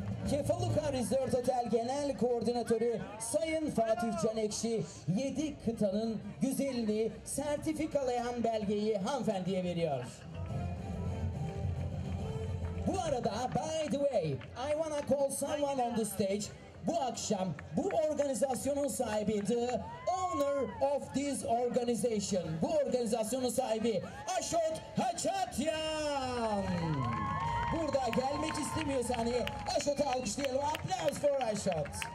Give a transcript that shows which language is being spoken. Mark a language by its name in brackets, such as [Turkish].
[Turkish] Kefaluka Resort Otel Genel Koordinatörü Sayın Fatih Can Ekşi 7 kıtanın güzelliği sertifikalayan belgeyi hanımefendiye veriyor. Bu arada [English] by the way I wanna call someone on the stage. [Turkish] Bu akşam bu organizasyonun sahibi [English] the owner of this organization. [Turkish] Bu organizasyonun sahibi Ashot Khachatryan. Burada gelmek istemiyorsa hani Ashot'u alkışlayalım. [English] Applause for Ashot.